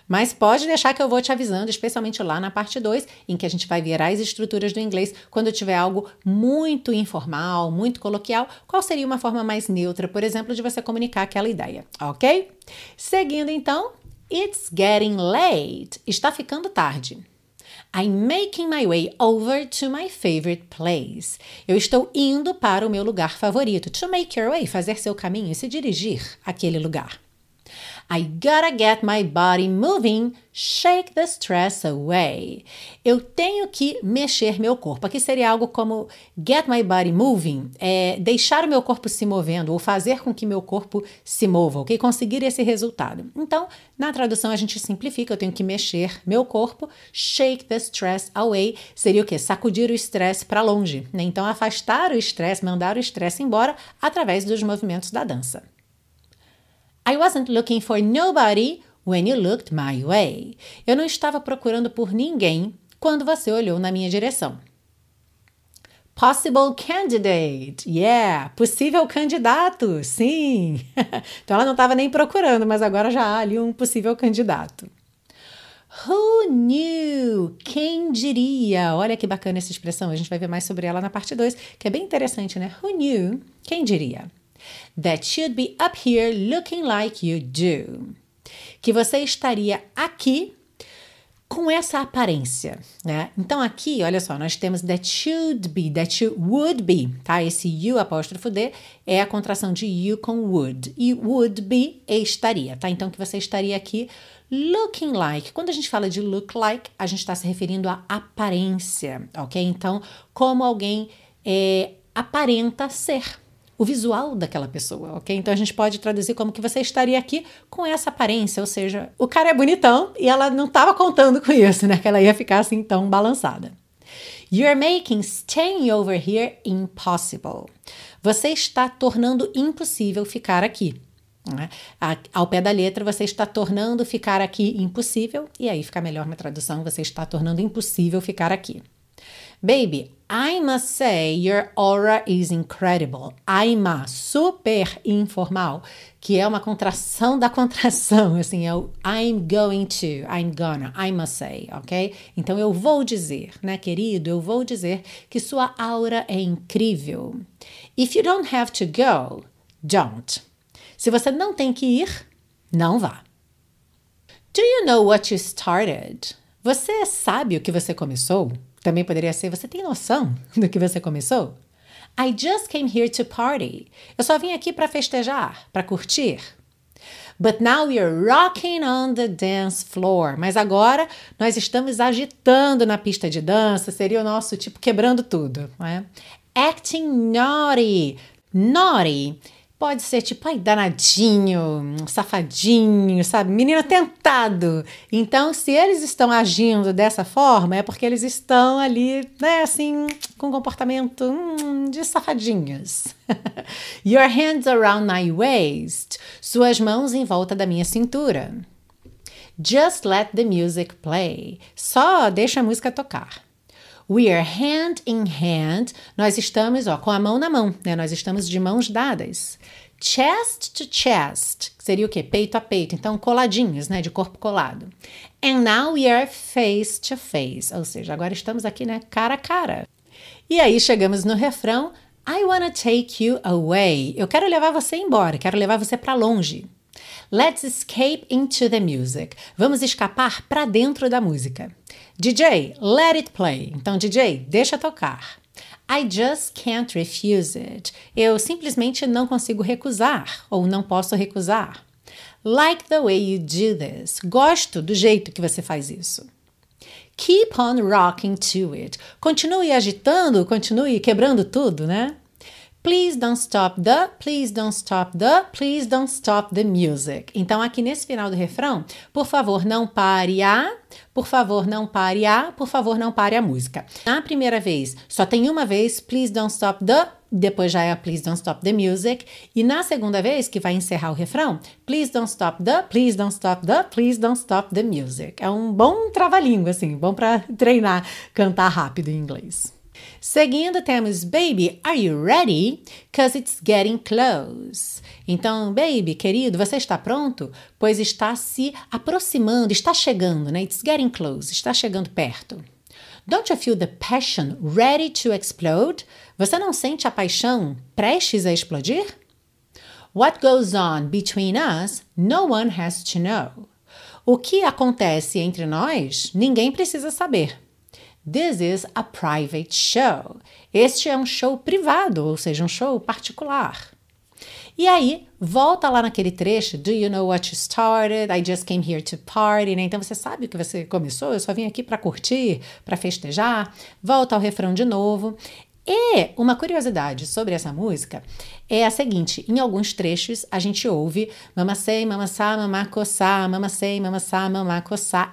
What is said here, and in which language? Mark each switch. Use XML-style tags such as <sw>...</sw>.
<pt>Mas pode deixar que eu vou te avisando, especialmente lá na parte 2, em que a gente vai ver as estruturas do inglês, quando tiver algo muito informal, muito coloquial, qual seria uma forma mais neutra, por exemplo, de você comunicar aquela ideia, ok? Seguindo, então,</pt> <en>it's getting late.</en> <pt>Está ficando tarde.</pt> <en>I'm making my way over to my favorite place.</en> <pt>Eu estou indo para o meu lugar favorito.</pt> <en>To make your way,</en> <pt>fazer seu caminho, se dirigir àquele lugar.</pt> <en>I gotta get my body moving, shake the stress away.</en> <pt>Eu tenho que mexer meu corpo. Aqui seria algo como</pt> <en>get my body moving,</en> <pt>é deixar o meu corpo se movendo ou fazer com que meu corpo se mova, ok? Conseguir esse resultado. Então, na tradução a gente simplifica, eu tenho que mexer meu corpo,</pt> <en>shake the stress away,</en> <pt>seria o quê? Sacudir o estresse para longe, né? Então, afastar o estresse, mandar o estresse embora através dos movimentos da dança.</pt> <en>I wasn't looking for nobody when you looked my way.</en> <pt>Eu não estava procurando por ninguém quando você olhou na minha direção.</pt> <en>Possible candidate. Yeah,</en> <pt>possível candidato. Sim. Então ela não estava nem procurando, mas agora já há ali um possível candidato.</pt> <en>Who knew?</en> <pt>Quem diria? Olha que bacana essa expressão. A gente vai ver mais sobre ela na parte 2, que é bem interessante, né? Who knew? Quem diria?</pt> <en>that you'd be up here looking like you do.</en> <pt>Que você estaria aqui com essa aparência, né? Então, aqui, olha só, nós temos</pt> <en>that should be, that you would be,</en> <pt>tá? Esse you apóstrofo D é a contração de you com would. E would be é estaria, tá? Então, que você estaria aqui</pt> <en>looking like.</en> <pt>Quando a gente fala de look like, a gente está se referindo à aparência, ok? Então, como alguém aparenta ser. O visual daquela pessoa, ok? Então, a gente pode traduzir como que você estaria aqui com essa aparência, ou seja, o cara é bonitão e ela não estava contando com isso, né? Que ela ia ficar assim tão balançada.</pt> <en>You're making staying over here impossible.</en> <pt>Você está tornando impossível ficar aqui, né? Ao pé da letra, você está tornando ficar aqui impossível, e aí fica melhor na tradução, você está tornando impossível ficar aqui.</pt> <en>Baby, I must say your aura is incredible. I must,</en> <pt>super informal, que é uma contração da contração, assim, é o</pt> <en>I'm going to, I'm gonna, I must say,</en> <pt>ok? Então, eu vou dizer, né, querido, eu vou dizer que sua aura é incrível.</pt> <en>If you don't have to go, don't.</en> <pt>Se você não tem que ir, não vá.</pt> <en>Do you know what you started?</en> <pt>Você sabe o que você começou? Também poderia ser, você tem noção do que você começou?</pt> <en>I just came here to party.</en> <pt>Eu só vim aqui para festejar, para curtir.</pt> <en>But now we're rocking on the dance floor.</en> <pt>Mas agora nós estamos agitando na pista de dança. Seria o nosso tipo quebrando tudo, não é?</pt> <en>Acting naughty.</en> <pt>Naughty pode ser tipo, ai, danadinho, safadinho, sabe? Menino tentado. Então, se eles estão agindo dessa forma, é porque eles estão ali, né, assim, com comportamento de safadinhos.</pt> <en>Your hands around my waist.</en> <pt>Suas mãos em volta da minha cintura.</pt> <en>Just let the music play.</en> <pt>Só deixa a música tocar.</pt> <en>We are hand in hand,</en> <pt>nós estamos, ó, com a mão na mão, né? Nós estamos de mãos dadas.</pt> <en>Chest to chest,</en> <pt>seria o quê? Peito a peito, então coladinhos, né? De corpo colado.</pt> <en>And now we are face to face,</en> <pt>ou seja, agora estamos aqui, né? Cara a cara. E aí chegamos no refrão,</pt> <en>I wanna take you away.</en> <pt>Eu quero levar você embora, quero levar você para longe.</pt> <en>Let's escape into the music.</en> <pt>Vamos escapar para dentro da música.</pt> <en>DJ, let it play.</en> <pt>Então, DJ, deixa tocar.</pt> <en>I just can't refuse it.</en> <pt>Eu simplesmente não consigo recusar ou não posso recusar.</pt> <en>Like the way you do this.</en> <pt>Gosto do jeito que você faz isso.</pt> <en>Keep on rocking to it.</en> <pt>Continue agitando, continue quebrando tudo, né?</pt> <en>Please don't stop the, please don't stop the, please don't stop the music.</en> <pt>Então, aqui nesse final do refrão, por favor, não pare a, por favor, não pare a, por favor, não pare a música. Na primeira vez, só tem uma vez,</pt> <en>please don't stop the,</en> <pt>depois já é a</pt> <en>please don't stop the music.</en> <pt>E na segunda vez, que vai encerrar o refrão,</pt> <en>please don't stop the, please don't stop the, please don't stop the music.</en> <pt>É um bom trava-língua, assim, bom para treinar, cantar rápido em inglês. Seguindo, temos,</pt> <en>baby, are you ready? 'Cause it's getting close.</en> <pt>Então, baby, querido, você está pronto? Pois está se aproximando, está chegando, né?</pt> <en>It's getting close,</en> <pt>está chegando perto.</pt> <en>Don't you feel the passion ready to explode?</en> <pt>Você não sente a paixão prestes a explodir?</pt> <en>What goes on between us, no one has to know.</en> <pt>O que acontece entre nós, ninguém precisa saber.</pt> <en>This is a private show.</en> <pt>Este é um show privado, ou seja, um show particular. E aí, volta lá naquele trecho.</pt> <en>Do you know what you started? I just came here to party.</en> <pt>Né? Então, você sabe o que você começou? Eu só vim aqui para curtir, para festejar. Volta ao refrão de novo. E uma curiosidade sobre essa música é a seguinte. Em alguns trechos, a gente ouve mama say, mama sa, mama coça, mama say, mama sa, mama coça.</pt>